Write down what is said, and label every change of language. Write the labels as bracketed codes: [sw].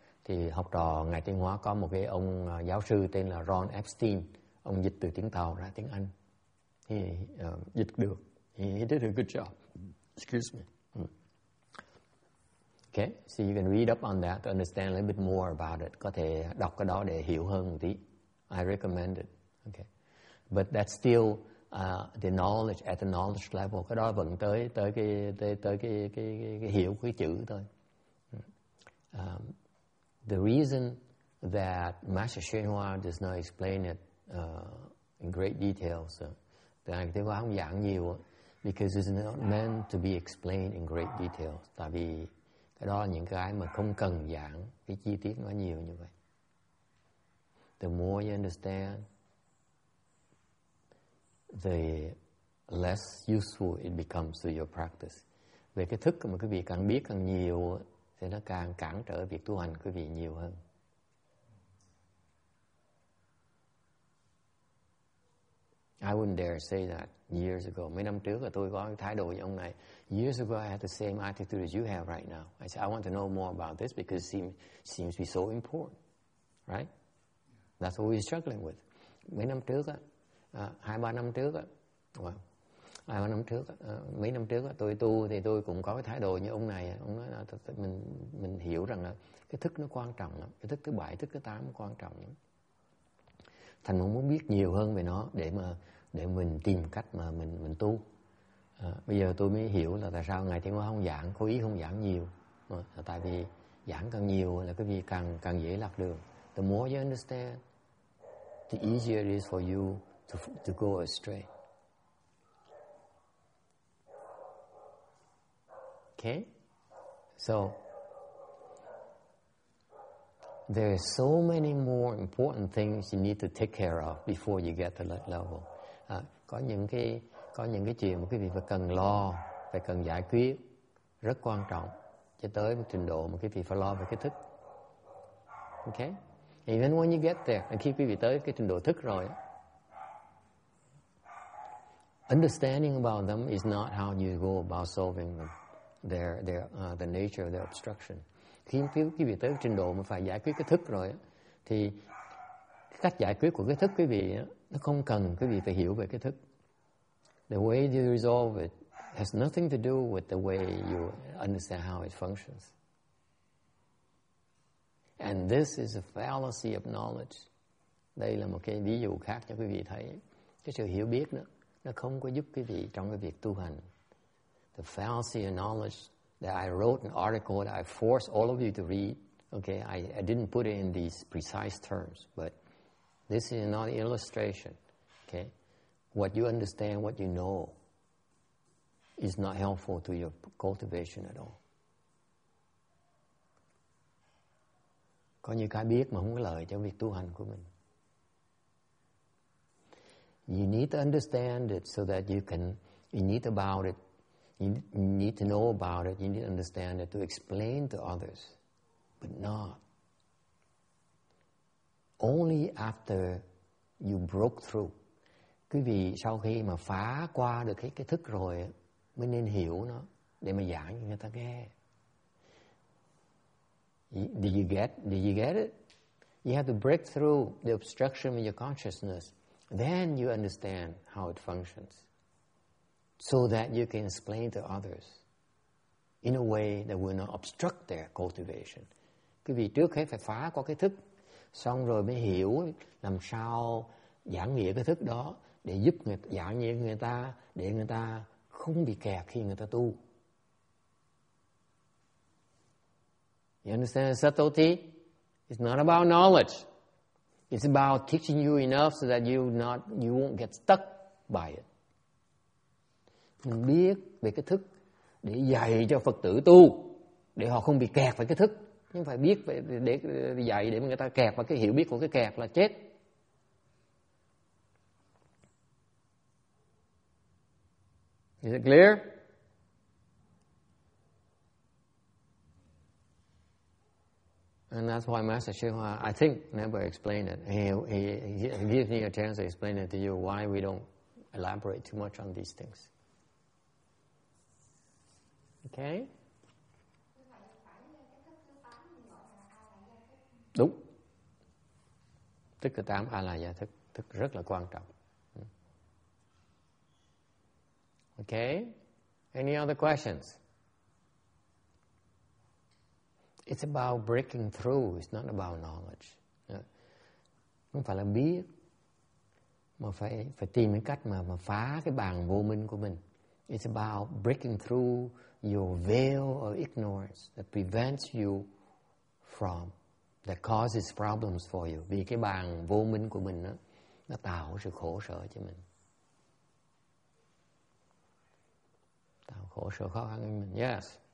[vi] Thì học trò ngài Thiện Hóa có một cái ông giáo sư tên là Ron Epstein. Ông dịch từ tiếng Tàu ra tiếng Anh. Thì dịch được. [en] He did a good job. Excuse me. Okay, so you can read up on that to understand a little bit more about it. [vi] Có thể đọc cái đó để hiểu hơn một tí. [en] I recommend it. Okay, but that's still the knowledge at the knowledge level. [vi] Cái đó vẫn tới cái hiểu cái chữ thôi. [en] The reason that Master Shenhua does not explain it in great detail, so [vi] tại vì không giảng nhiều, [en] because it's not meant to be explained in great detail. [vi] Tại vì Cái đó là những cái mà không cần giảng cái chi tiết nó nhiều như vậy. [en] The more you understand, the less useful it becomes to your practice. [vi] Về cái thức mà quý vị càng biết càng nhiều thì nó càng cản trở việc tu hành quý vị nhiều hơn. [en] I wouldn't dare say that years ago. [vi] Mấy năm trước là tôi có cái thái độ như ông này. [en] Years ago I had the same attitude as you have right now. I said I want to know more about this because it seems to be so important. Right? That's what we're struggling with. [vi] Mấy năm trước á, hai ba năm trước á, well, hai ba năm trước, mấy năm trước tôi tu thì tôi cũng có cái thái độ như ông này. Ông nói là mình hiểu rằng là cái thức nó quan trọng lắm, cái thức thứ bảy, thức thứ tám quan trọng lắm. Thành mình muốn biết nhiều hơn về nó để mình tìm cách mà mình tu. Bây giờ tôi mới hiểu là tại sao ngài Thiện Hóa không giảng, cố ý không giảng nhiều, là tại vì giảng càng nhiều là cái gì càng dễ lạc đường. [en] The more you understand, the easier it is for you to go astray. Okay, so there are so many more important things you need to take care of before you get to that level. [vi] Có những cái chuyện mà quý vị phải cần lo, phải cần giải quyết rất quan trọng cho tới một trình độ mà quý vị phải lo về cái thức. [en] Okay, and then when you get there, [vi] khi quý vị tới cái trình độ thức rồi, [en] understanding about them is not how you go about solving them. The nature of their obstruction. [vi] Khi quý vị tới trình độ mà phải giải quyết cái thức rồi, thì cách giải quyết của cái thức quý vị nó không cần quý vị phải hiểu về cái thức. [en] The way you resolve it has nothing to do with the way you understand how it functions. And this is a fallacy of knowledge. [vi] Đây là một cái ví dụ khác cho quý vị thấy. Cái sự hiểu biết đó, nó không có giúp quý vị trong cái việc tu hành. [en] The fallacy of knowledge that I wrote an article that I forced all of you to read. Okay, I didn't put it in these precise terms, but this is not an illustration. Okay, what you understand, what you know, is not helpful to your cultivation at all. [vi] Có nhiều cái biết mà không có lợi cho việc tu hành của mình. [en] You need to understand it so that you need about it. You need to know about it, you need to understand it, to explain to others, but not. Only after you broke through. [vi] Quý vị sau khi mà phá qua được cái thức rồi, mới nên hiểu nó, để mà giảng cho người ta nghe. [en] Did you get it? You have to break through the obstruction in your consciousness. Then you understand how it functions. So that you can explain to others in a way that will not obstruct their cultivation. [vi] Quý vị trước hết phải phá qua cái thức, xong rồi mới hiểu làm sao giảng nghĩa cái thức đó để giúp người giảng nghĩa người ta, để người ta không bị kẹt khi người ta tu. [en] You understand the subtlety? It's not about knowledge. It's about teaching you enough so that you won't get stuck by it. [vi] Mình biết về cái thức để dạy cho Phật tử tu, để họ không bị kẹt vào cái thức. Nhưng phải biết để dạy để người ta kẹt vào cái hiểu biết của cái kẹt là chết. [en] Is it clear? And that's why Master Shihua, I think, never explained it. He gives me a chance to explain it to you, why we don't elaborate too much on these things. Okay. [vi] Đúng. Thức thứ 8 Alaya thức, thức rất là quan trọng. [en] Okay. Any other questions? It's about breaking through, it's not about knowledge. [vi] Không phải là biết mà phải tìm cái cách mà phá cái bàn vô minh của mình. [en] It's about breaking through your veil of ignorance that prevents you from, that causes problems for you. [vi] Vì cái bàn vô minh của mình đó, nó tạo sự khổ sở cho mình. Tạo khổ sở khó khăn cho mình. Yes.